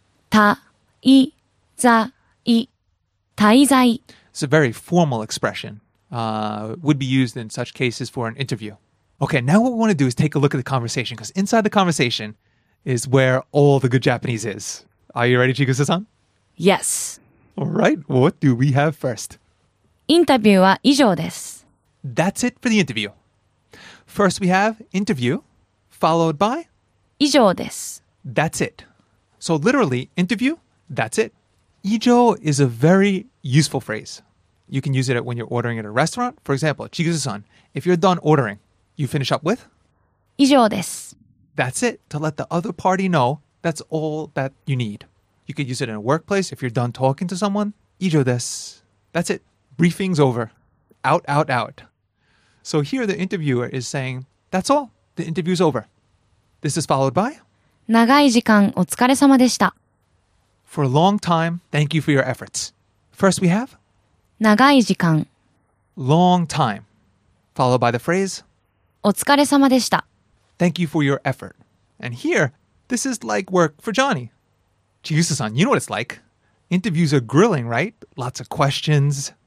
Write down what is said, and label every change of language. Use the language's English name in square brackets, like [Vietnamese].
[Japanese] 滞在.滞在. [English] It's a very formal expression. Would be used in such cases for an interview. Okay, now what we want to do is take a look at the conversation because inside the conversation is where all the good Japanese is. Are you ready, Chikusa-san? Yes. All right, what do we have first? [Japanese] インタビューは以上です。 [English] That's it for the interview. First we have interview, followed by [Japanese] 以上です。 [English] That's it. So literally, interview, that's it. 以上 is a very useful phrase. You can use it when you're ordering at a restaurant. For example, Chigusa-san, if you're done ordering, you finish up with [Japanese] 以上です。 [English] That's it, to let the other party know that's all that you need. You could use it in a workplace if you're done talking to someone. 以上です。 That's it. Briefing's over. Out, out, out. So here the interviewer is saying, that's all. The interview's over. This is followed by [Japanese] 長い時間お疲れ様でした。 [English] For a long time, thank you for your efforts. First we have [Japanese] 長い時間 [English] Long time. Followed by the phrase [Japanese] お疲れ様でした。 [English] Thank you for your effort. And here, this is like work for Johnny. Chiyusa-san, you know what it's like. Interviews are grilling, right? Lots of questions.